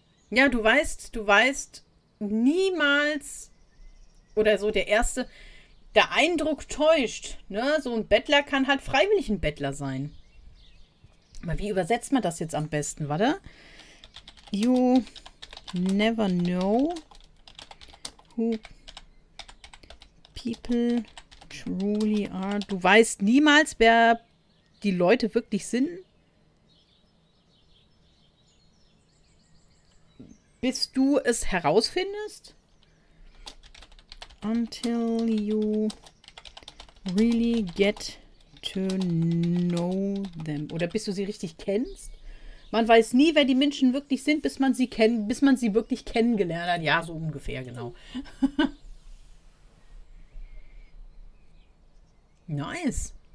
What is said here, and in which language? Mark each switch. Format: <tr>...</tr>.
<de>Ja, du weißt niemals, oder so der Eindruck täuscht, ne? So ein Bettler kann halt freiwillig ein Bettler sein. Aber wie übersetzt man das jetzt am besten, warte?</de> <en>You never know who people truly are.</en> <de>Du weißt niemals, wer die Leute wirklich sind. Bis du es herausfindest?</de> <en>Until you really get to know them.</en> <de>Oder bis du sie richtig kennst? Man weiß nie, wer die Menschen wirklich sind, bis man sie wirklich kennengelernt hat. Ja, so ungefähr, genau.</de> <en>Nice.</en>